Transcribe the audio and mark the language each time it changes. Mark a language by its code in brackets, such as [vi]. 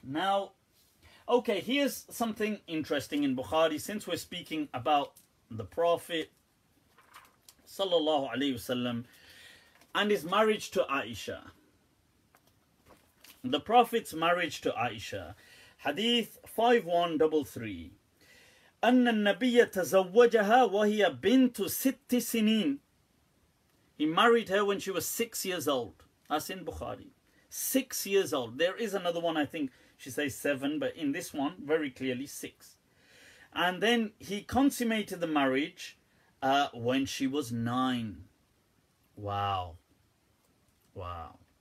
[en] Now, okay, here's something interesting in Bukhari. Since we're speaking about the Prophet sallallahu alaihi wasallam and his marriage to Aisha. The Prophet's marriage to Aisha. Hadith 5133. [ar] أن النبي تزوجها وهي بنت ست سنين. [en] He married her when she was 6 years old. That's in Bukhari. 6 years old. There is another one, I think she says seven, but in this one, very clearly six. And then he consummated the marriage when she was nine. Wow. Wow.